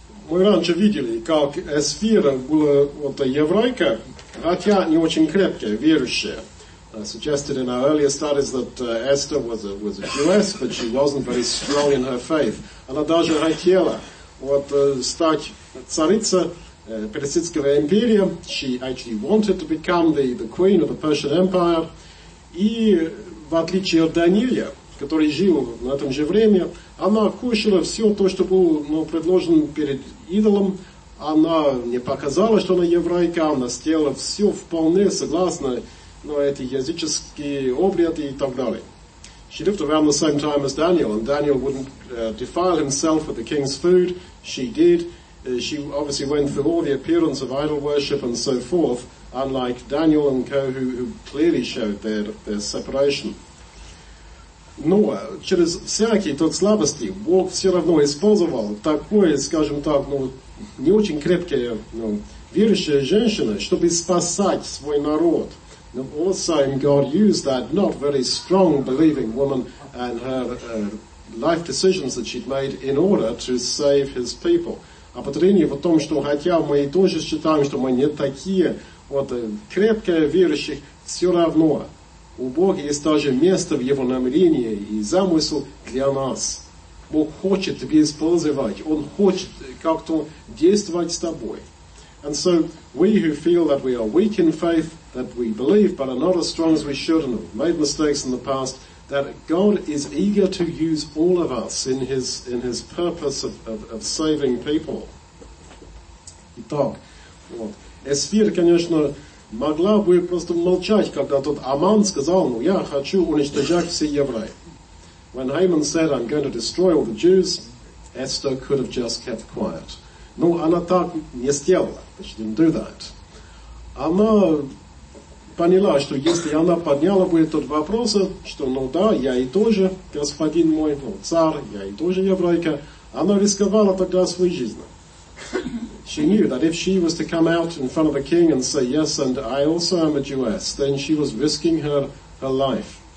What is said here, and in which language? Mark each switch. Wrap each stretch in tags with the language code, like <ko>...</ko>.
<ru>Мы раньше видели, как Эсфира была вот еврейка, хотя не очень крепкая, верующая.</ru> <en>Suggested in our earlier studies that Esther was a Jewess, but she wasn't very strong in her faith.</en> <ru>Она даже хотела вот стать царица Персидского империя.</ru> <en>She actually wanted to become the queen of the Persian Empire.</en> <ru>И в отличие от Даниила, который жил на этом же время, она кушала все то, что было предложено перед идолом. Она не показала, что она еврейка, она сделала все вполне согласно эти языческие обряды и так далее.</ru> <en>She lived around the same time as Daniel, and Daniel wouldn't defile himself with the king's food. She did. She obviously went through all the appearance of idol worship and so forth, unlike Daniel and co, who clearly showed their separation.</en> <ru>Но через всякие тот слабости Бог все равно использовал такое, скажем так, не очень крепкое, верующее женщина, чтобы спасать свой народ.</ru> <en>Now, also, God used that not very strong believing woman and her life decisions that she'd made in order to save his people.</en> <ru>А подозрение в том, что хотя мы и тоже считаем, что мы не такие крепкие верующих, все равно у Бога есть тоже место в его намерении и замысл для нас. Бог хочет тебя использовать, Он хочет как-то действовать с тобой.</ru> <en>And so, we who feel that we are weak in faith, that we believe but are not as strong as we should and have made mistakes in the past, that God is eager to use all of us in his purpose of saving people.</en> <ru>Итак, Эсфир, конечно, могла бы просто молчать, когда тот Аман сказал, я хочу уничтожать все евреи.</ru> <en>When Haman said, I'm going to destroy all the Jews, Esther could have just kept quiet.</en> <ru>Но она так не сделала.</ru> <en>She didn't do that.</en> <ru>Она поняла, что если она подняла бы этот вопрос, что да, я и тоже, господин мой, царь, я и тоже еврейка, она рисковала тогда своей жизнью.</ru> <en>She knew that if she was to come out in front of the king and say, yes, and I also am a Jewess, then she was risking her life.</en>